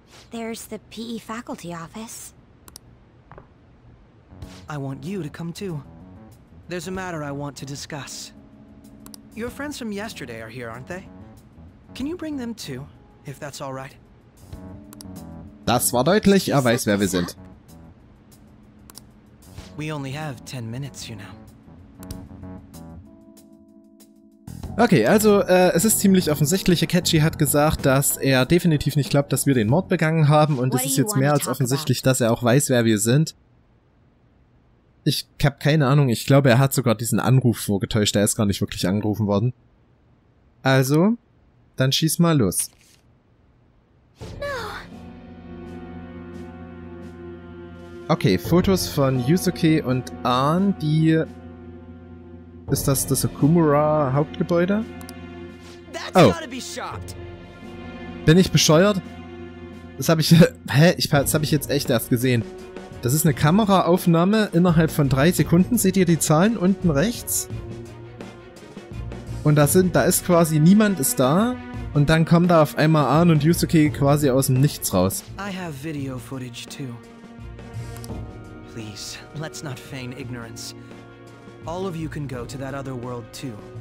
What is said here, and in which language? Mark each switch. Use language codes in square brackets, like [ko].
[en] There's the PE faculty office. I want you to come too. There's a matter I want to discuss. Your friends from yesterday are here, aren't they? Can you bring them too, if that's all right? [de] Das war deutlich, er weiß, wer wir sind. [en] We only have 10 minutes, you know. [de] Okay, also es ist ziemlich offensichtlich. Akechi hat gesagt, dass er definitiv nicht glaubt, dass wir den Mord begangen haben. Und es ist jetzt mehr als offensichtlich, dass er auch weiß, wer wir sind. Ich habe keine Ahnung. Ich glaube, er hat sogar diesen Anruf vorgetäuscht. Er ist gar nicht wirklich angerufen worden. Also, dann schieß mal los. Okay, Fotos von Yusuke und Ahn, die... Ist das das Okumura-Hauptgebäude? Oh. Bin ich bescheuert? Das habe ich... Hä? Das habe ich jetzt echt erst gesehen. Das ist eine Kameraaufnahme innerhalb von 3 Sekunden. Seht ihr die Zahlen unten rechts? Und da ist quasi niemand ist da. Und dann kommen da auf einmal Ahn und Yusuke quasi aus dem Nichts raus. Ich habe Video-Footage auch. [en] Please, let's not feign ignorance. All of you can go to that other world too.